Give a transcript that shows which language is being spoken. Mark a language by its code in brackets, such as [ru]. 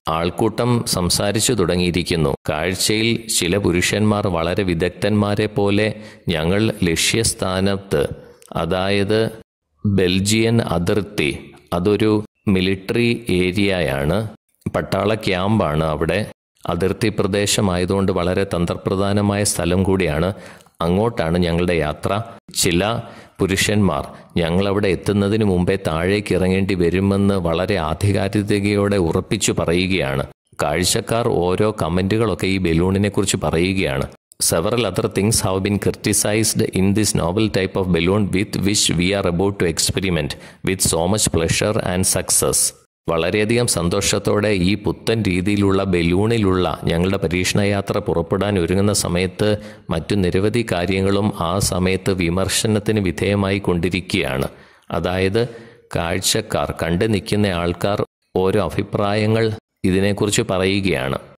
[ml] ആൾക്കൂട്ടം സംസാരിച്ചു തുടങ്ങിയിരിക്കുന്നു. കാഴ്ചയിൽ ചില പുരുഷന്മാർ വളരെ വിദഗ്ധന്മാരെ പോലെ ഞങ്ങൾ ലക്ഷ്യസ്ഥാനത്ത്, അതായത് ബെൽജിയൻ അതിർത്തി, അതൊരു മിലിട്ടറി ഏരിയയാണ്, പട്ടാള ക്യാമ്പാണ് അവിടെ, അതിർത്തി പ്രദേശമായതുകൊണ്ട് വളരെ തന്ത്രപ്രധാനമായ സ്ഥലം കൂടിയാണ്, അങ്ങോട്ടാണ് ഞങ്ങളുടെ യാത്ര. ചില പുരുഷന്മാർ ഞങ്ങളവിടെ എത്തുന്നതിന് മുമ്പേ താഴേക്ക് ഇറങ്ങേണ്ടി വരുമെന്ന് വളരെ ആധികാരികതയോടെ ഉറപ്പിച്ചു പറയുകയാണ്. കാഴ്ചക്കാർ ഓരോ കമൻറ്റുകളൊക്കെ ഈ ബലൂണിനെ കുറിച്ച് പറയുകയാണ്. [en] Several other things have been criticized in this novel type of balloon with which we are about to experiment with so much pleasure and success. [ml] വളരെയധികം സന്തോഷത്തോടെ ഈ പുത്തൻ രീതിയിലുള്ള ബലൂണിലുള്ള ഞങ്ങളുടെ പരീക്ഷണ യാത്ര പുറപ്പെടാൻ ഒരുങ്ങുന്ന സമയത്ത് മറ്റു നിരവധി കാര്യങ്ങളും ആ സമയത്ത് വിമർശനത്തിന് വിധേയമായി കൊണ്ടിരിക്കുകയാണ്. അതായത് കാഴ്ചക്കാർ, കണ്ട് നിൽക്കുന്ന ആൾക്കാർ ഓരോ അഭിപ്രായങ്ങൾ ഇതിനെക്കുറിച്ച് പറയുകയാണ്.